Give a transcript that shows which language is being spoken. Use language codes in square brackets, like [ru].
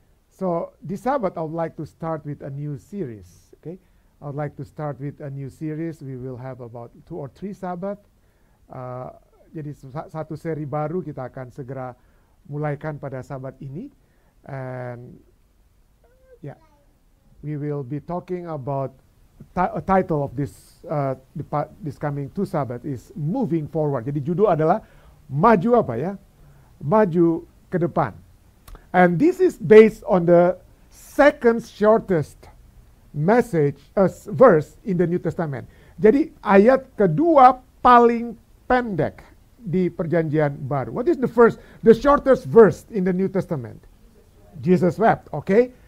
[en] So this Sabbath, I would like to start with a new series. Okay, I would like to start with a new series. We will have about two or three Sabbath. [id] Jadi satu seri baru kita akan segera mulaikan pada Sabbath ini. [en] And yeah, we will be talking about a title of this this coming two Sabbath is moving forward. [id] Jadi judul adalah maju apa ya? Maju ke depan. [en] And this is based on the second shortest message verse in the New Testament. [id] Jadi ayat kedua paling pendek di Perjanjian Baru. [en] What is the shortest verse in the New Testament? Jesus wept, okay?